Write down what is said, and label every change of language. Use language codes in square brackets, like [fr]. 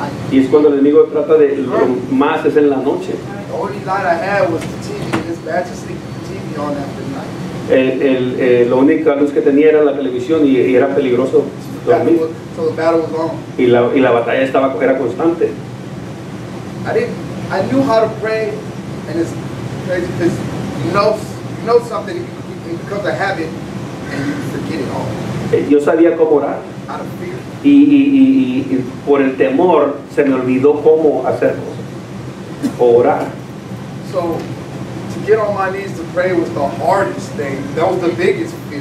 [es] Y es cuando el enemigo trata de lo más es en la noche. [en] The only light I had was the TV, and his bad to sleep the TV on after night. [es] La única luz que tenía era la televisión y era peligroso dormir. [en] So the battle was on. [es] Y la batalla era constante. [en] I knew how to pray, and it's crazy because you know something, it becomes a habit, and you forget it all. [es] Yo sabía cómo orar. [en] Out of fear. [es] Y por el temor se me olvidó cómo hacer cosas. O orar. [en] So to get on my knees to pray was the hardest thing. That was the biggest